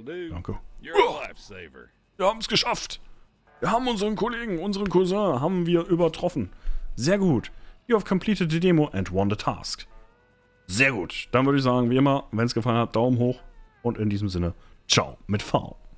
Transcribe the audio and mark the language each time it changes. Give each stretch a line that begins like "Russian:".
German: Danke. Wir haben es geschafft. Wir haben unseren Kollegen, unseren Cousin, haben wir übertroffen. Sehr gut.
English: You have completed the demo and won the task.
German: Sehr gut. Dann würde ich sagen, wie immer, wenn es gefallen hat, Daumen hoch. Und in diesem Sinne, ciao mit V.